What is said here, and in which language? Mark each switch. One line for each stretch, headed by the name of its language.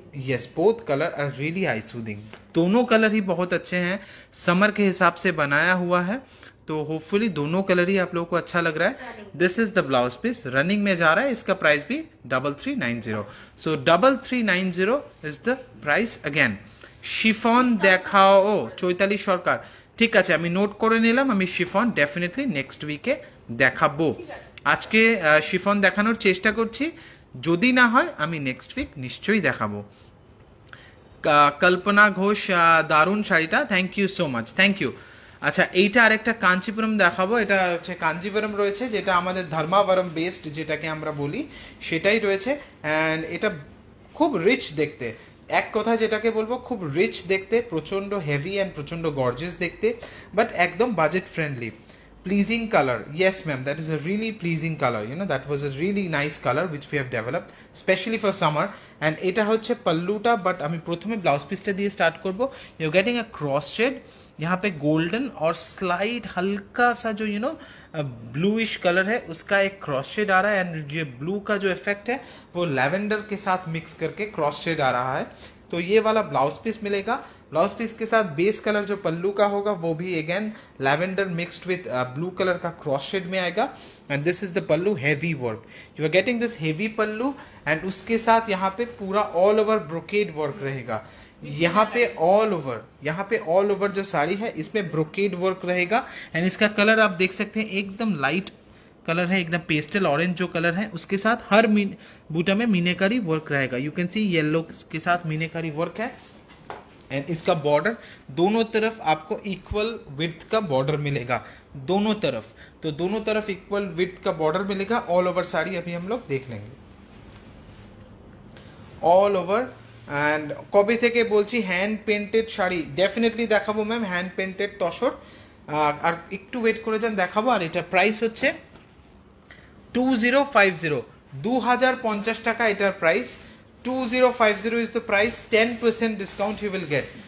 English: yes both colour are really eye soothing,
Hindi: दोनों colour ही बहुत अच्छे हैं, समर के हिसाब से बनाया हुआ है, तो होपफुली दोनों कलर ही आप लोगों को अच्छा लग रहा है।
English: this is the blouse piece,
Hindi: running में जा रहा है, इसका प्राइस भी 3390,
English: So 3390 is the price again.
Bangla: Chiffon देखाओ चैताली सरकार, ठीक আছে আমি নোট করে নিলাম, আমি শিফন ডেফিনেটলি নেক্সট উইকে দেখাবো, আজকে শিফন দেখানোর চেষ্টা করছি, যদি না হয় আমি নেক্সট উইক নিশ্চয়ই দেখাবো। কল্পনা ঘোষ দারুণ শাড়িটা, thank you so much, thank you. আচ্ছা এইটা আরেকটা কাঞ্চিপুরম দেখাবো, এটা হচ্ছে কাঞ্চিপুরম রয়েছে যেটা আমাদের ধর্মাবরম বেসড যেটাকে আমরা বলি সেটাই রয়েছে, অ্যান্ড এটা খুব রিচ দেখতে, এক কথা যেটাকে বলবো খুব রিচ দেখতে, প্রচণ্ড হেভি অ্যান্ড প্রচণ্ড গর্জিয়াস দেখতে, বাট একদম budget friendly, pleasing colour.
English: Yes ma'am that is a really pleasing colour, you know that was a really nice colour which we have develop specially for summer.
Bangla: And এটা হচ্ছে পল্লুটা, but আমি প্রথমে blouse পিসটা দিয়ে start করবো।
English: you are getting a cross shade,
Hindi: यहाँ पे golden और स्लाइट हल्का सा जो यू नो ब्लूइश कलर है उसका एक क्रॉस शेड आ रहा है, एंड ये ब्लू का जो इफेक्ट है वो लैवेंडर के साथ मिक्स करके क्रॉस शेड आ रहा है। तो ये वाला ब्लाउज पीस मिलेगा, ब्लाउज पीस के साथ बेस कलर जो पल्लू का होगा वो भी again lavender mixed with blue colour का क्रॉस शेड में आएगा,
English: and this is the pallu heavy work, you are getting this heavy pallu,
Hindi: and उसके साथ यहाँ पे पूरा ऑल ओवर ब्रोकेड वर्क रहेगा, यहाँ पे ऑल ओवर जो साड़ी है इसमें ब्रोकेड वर्क रहेगा। एंड इसका कलर आप देख सकते हैं एकदम लाइट कलर है, एकदम पेस्टल ऑरेंज जो कलर है उसके साथ हर बूटा में मीनाकारी वर्क रहेगा,
English: you can see
Hindi: येलो के साथ मीनाकारी वर्क है। एंड इसका बॉर्डर दोनों तरफ आपको इक्वल विड्थ का बॉर्डर मिलेगा, दोनों तरफ, तो दोनों तरफ इक्वल विड्थ का बॉर्डर मिलेगा। ऑल ओवर साड़ी अभी हम लोग देख लेंगे, ऑल ओवर
Bangla: অ্যান্ড কবে থেকে বলছি হ্যান্ড পেন্টেড শাড়ি ডেফিনেটলি দেখাবো ম্যাম, হ্যান্ড পেন্টেড তসর। আর একটু ওয়েট করে যান দেখাবো। আর এটা প্রাইস হচ্ছে 2050, 2050 টাকা এটার price.
English: 2050 is the price, 10% discount you will get.